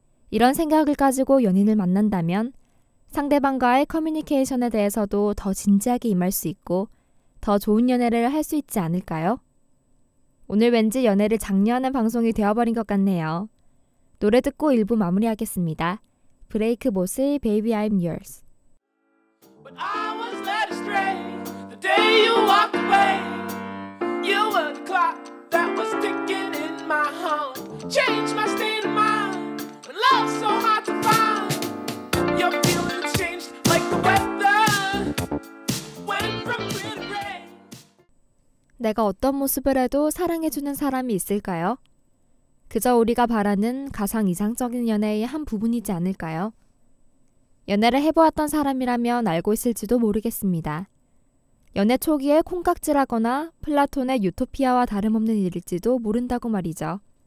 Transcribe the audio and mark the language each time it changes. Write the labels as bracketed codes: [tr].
[ko] 이런 생각을 가지고 연인을 만난다면 상대방과의 커뮤니케이션에 대해서도 더 진지하게 임할 수 있고 더 좋은 연애를 할 수 있지 않을까요? 오늘 왠지 연애를 장려하는 방송이 되어버린 것 같네요. 노래 듣고 1부 마무리하겠습니다. [en] 브레이크 모스의 Baby I'm Yours. But I was led astray the day you walked away. You were the clock that was ticking in my heart. Change my state of mind. Love so hard to find. Your feelings changed like the weather. Went from green to gray. [ko] 내가 어떤 모습을 해도 사랑해주는 사람이 있을까요? 그저 우리가 바라는 가상 이상적인 연애의 한 부분이지 않을까요? 연애를 해보았던 사람이라면 알고 있을지도 모르겠습니다. 연애 초기에 콩깍지라거나 플라톤의 유토피아와 다름없는 일일지도 모른다고 말이죠.